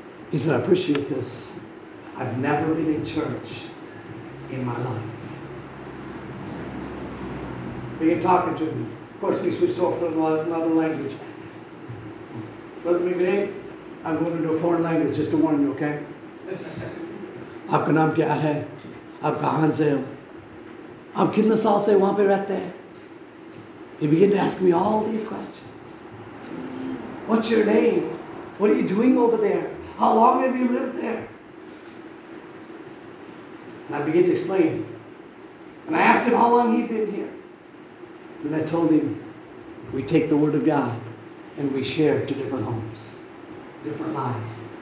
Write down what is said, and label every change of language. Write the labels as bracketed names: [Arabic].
[English] He said, I appreciate this. I've never been in church in my life. Begin talking to me. Of course, we switched off to another language. Brother McVeigh, I'm going into a foreign language, just to warn you, okay? [Hindi] आपका नाम क्या है? आप कहाँ से हो? आप कितने साल से वहाँ पे रहते हैं? [English] He began to ask me all these questions. What's your name? What are you doing over there? How long have you lived there? And I began to explain. And I asked him how long he'd been here. And I told him, we take the word of God and we share to different homes, different lives.